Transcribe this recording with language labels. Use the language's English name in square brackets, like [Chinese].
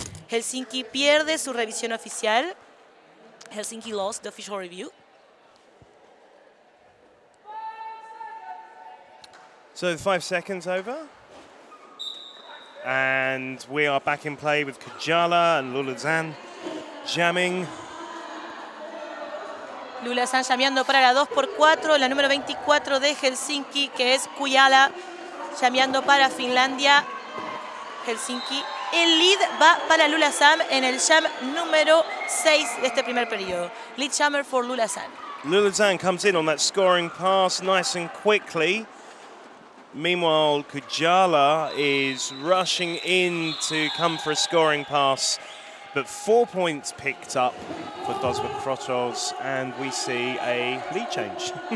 [Spanish] Helsinki pierde su revisión oficial. [English] Helsinki lost the official review. So, 5 seconds over. And we are back in play with Kajala and Lulazan jamming. [Spanish] Lula están llameando para la 2x4, la número 24 de Helsinki, que es Kujala, llameando para Finlandia. Helsinki, el lead va para Lula Sam en el jam número 6 de este primer periodo. [English] Lead jammer for Lula Sam. Lula Sam comes in on that scoring pass nice and quickly. Meanwhile, Kujala is rushing in to come for a scoring pass. But 4 points picked up for Dos Y Cuatro's, and we see a lead change.